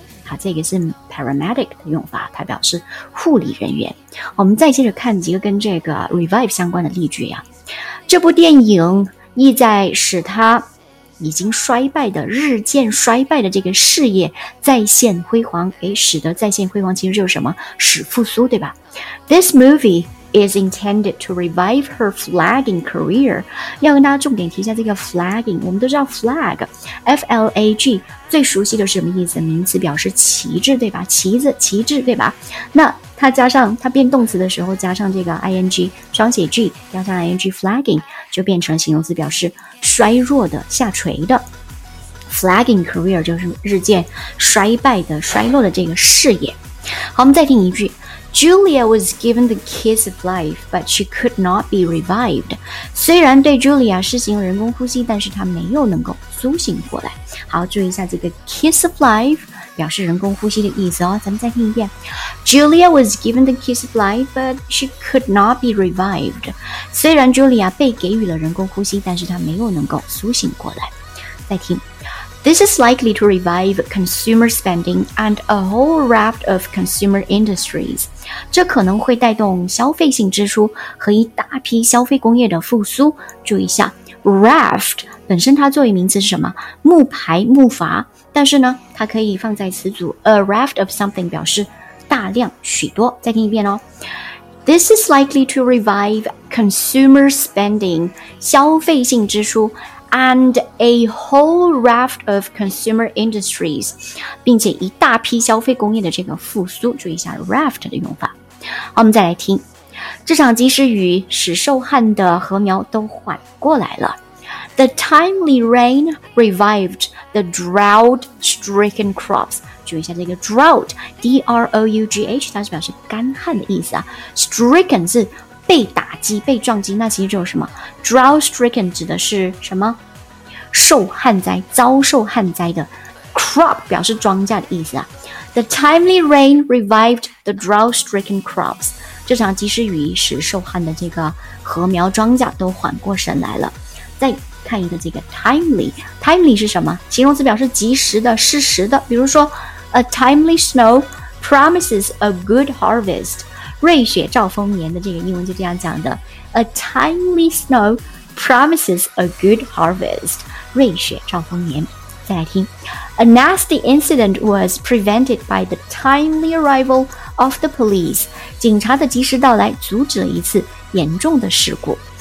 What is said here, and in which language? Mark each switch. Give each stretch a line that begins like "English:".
Chinese: 好，这个是 paramedic 的用法，它表示护理人员。我们再接着看几个跟这个 revive 相关的例句啊。这部电影意在使它已经衰败的、日渐衰败的这个事业再现辉煌，使得再现辉煌其实就是什么？使复苏，对吧？
English: This movieis intended to revive her flagging career.
Chinese: 要跟大家重点提一下这个 flagging， 我们都知道 flag， F-L-A-G， 最熟悉的是什么意思？名词表示旗帜，对吧？旗子、旗帜，对吧？那它加上，它变动词的时候加上这个 ing， 双写 g， 加上 ing flagging， 就变成形容词表示衰弱的、下垂的。 flagging career 就是日渐衰败的、衰落的这个事业。好，我们再听一句。
English: Julia was given the kiss of life, but she could not be revived.
Chinese: 虽然对 Julia 施行人工呼吸，但是她没有能够苏醒过来。好，注意一下这个 kiss of life 表示人工呼吸的意思哦。咱们再听一遍。
English: Julia was given the kiss of life, but she could not be revived.
Chinese: 虽然 Julia 被给予了人工呼吸，但是她没有能够苏醒过来。再听。
English: This is likely to revive consumer spending and a whole raft of consumer industries.
Chinese: 这可能会带动消费性支出和一大批消费工业的复苏。注意一下 ,raft 本身它作为名词是什么？木排、木筏。但是呢它可以放在词组 a raft of something 表示大量、许多。再听一遍哦。
English: This is likely to revive consumer spending,
Chinese: 消费性支出
English: And a whole raft of consumer industries,
Chinese: 并且一大批消费工业的这个复苏。注意一下 raft 的用法。好，我们再来听。这场及时雨使受旱的禾苗都缓过来了。
English: The timely rain revived the drought-stricken crops.
Chinese: 注意一下这个 drought, D-R-O-U-G-H, 它是表示干旱的意思啊。 Stricken 是被打击、被撞击，那其实就是什么 ？Drought stricken 指的是什么？受旱灾、遭受旱灾的 crop 表示庄稼的意思啊。
English: The timely rain revived the drought stricken crops.
Chinese: 这场及时雨使受旱的这个禾苗、庄稼都缓过神来了。再看一个这个 timely 是什么？形容词表示及时的、事实的。比如说
English: ，A timely snow promises a good harvest.
Chinese: 瑞雪兆丰年的这个英文就这样讲的
English: A timely snow promises a good harvest
Chinese: 瑞雪兆丰年再来听
English: A nasty incident was prevented by the timely arrival of the police
Chinese: 警察的及时到来阻止了一次严重的事故